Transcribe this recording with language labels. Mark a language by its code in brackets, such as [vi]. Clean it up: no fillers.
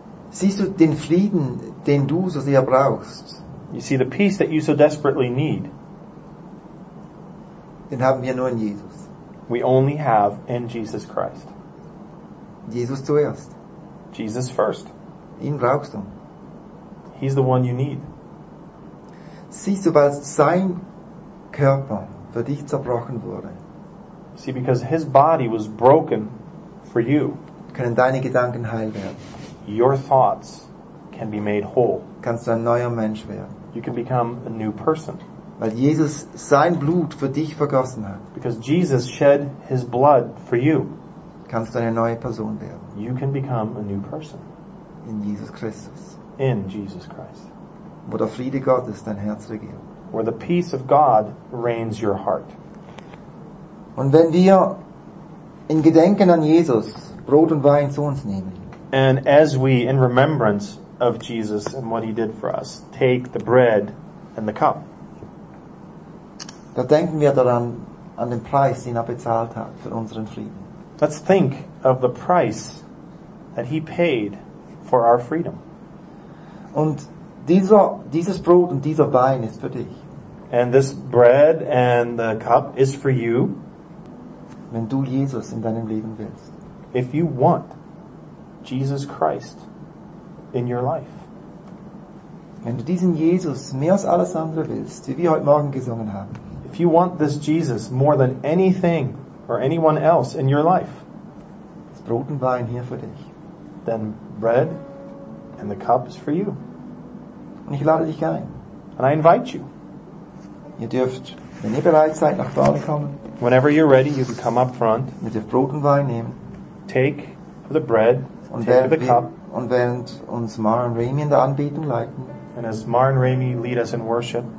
[de] Siehst du den Frieden, den du so sehr brauchst? [en] You see the peace that you so desperately need. [de] Den haben wir nur in Jesus. [en] We only have in Jesus Christ. [de] Jesus zuerst. [en] Jesus first. [de] Ihn brauchst du. [en] He's the one you need. [de] Siehst du, weil sein Körper für dich zerbrochen wurde. [en] See, because his body was broken for you. [de] Können deine Gedanken heil werden. [en] Your thoughts can be made whole. [de] Kannst du ein neuer Mensch werden. [en] You can become a new person. [de] Weil Jesus sein Blut für dich vergossen hat. [en] Because Jesus shed his blood for you. [de] Kannst du eine neue Person werden. [en] You can become a new person. [de] In Jesus Christus. [en] In Jesus Christ. [de] Wo der Friede Gottes dein Herz regiert. [en] Where the peace of God reigns your heart. [de] Und wenn wir in Gedenken an Jesus Brot und Wein zu uns nehmen. [en] And as we, in remembrance of Jesus and what he did for us, take the bread and the cup. [de] Da denken wir daran, an den Preis, den er bezahlt hat für unseren Frieden. [en] Let's think of the price that he paid for our freedom. [de] Und dieses Brot und dieser Wein ist für dich. [en] And this bread and the cup is for you. [de] Wenn du Jesus in deinem Leben willst. [en] If you want Jesus Christ in your life. [de] Wenn du diesen Jesus mehr als alles andere willst, wie wir heute Morgen gesungen haben. [en] If you want this Jesus more than anything or anyone else in your life. [de] Das Brot und Wein hier für dich. [en] Then bread and the cup is for you. [de] Und ich lade dich ein. [en] And I invite you. [de] Ihr dürft, wenn ihr bereit seid, nach vorne kommen. [en] Whenever you're ready, you can come up front. [de] Mit dem Brot und Wein nehmen. [en] Take the bread. [de] Und [en] take the cup. [de] Und während uns Mar und Remy in der Anbetung leiten. [en] And as Mar and Remy lead us in worship.